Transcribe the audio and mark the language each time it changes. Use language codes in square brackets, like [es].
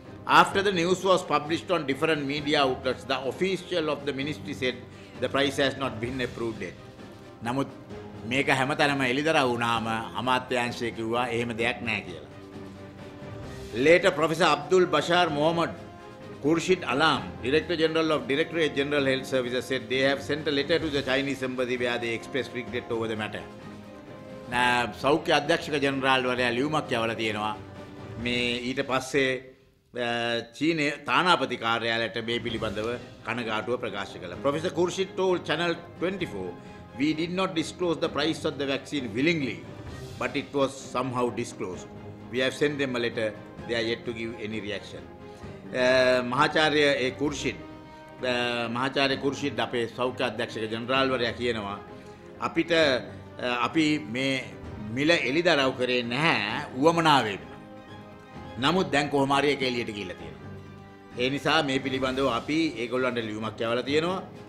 [en] After the news was published on different media outlets, the official of the ministry said the price has not been approved yet. [si] නමුත් මේක හැමතැනම එළිදරව් වුණාම අමාත්‍යාංශය කිව්වා එහෙම දෙයක් නැහැ කියලා. [en] Later Professor Abdul Bashar Mohammed Khurshid Alam, Director General of Directorate General Health Services said they have sent a letter to the Chinese embassy where they expressed regret over the matter. [si] නා සෞඛ්‍ය අධ්‍යක්ෂක general වරයා ලියුමක් යවලා තියෙනවා. මේ ඊට පස්සේ චීන තානාපති කාර්යාලයට මේ පිළිබඳව කනගාටුව ප්‍රකාශ කළා. [en] Professor Khurshid told Channel 24 We did not disclose the price of the vaccine willingly, but it was somehow disclosed. We have sent them a letter. They are yet to give any reaction. [si] Mahacharya Khurshid, Mahacharya Khurshid, අපි සෞඛ්‍ය අධ්‍යක්ෂක general වරයා කියනවා අපිට අපි මේ මිල එලිදරව් කරේ නැහැ උවමනාවෙන්. නමුත් දැන් කොහොම හරි ඒක එළියට ගිහිල්ලා තියෙනවා. ඒ නිසා මේ පිළිබඳව අපි ඒගොල්ලන්ට ලියුමක් යවලා තියෙනවා.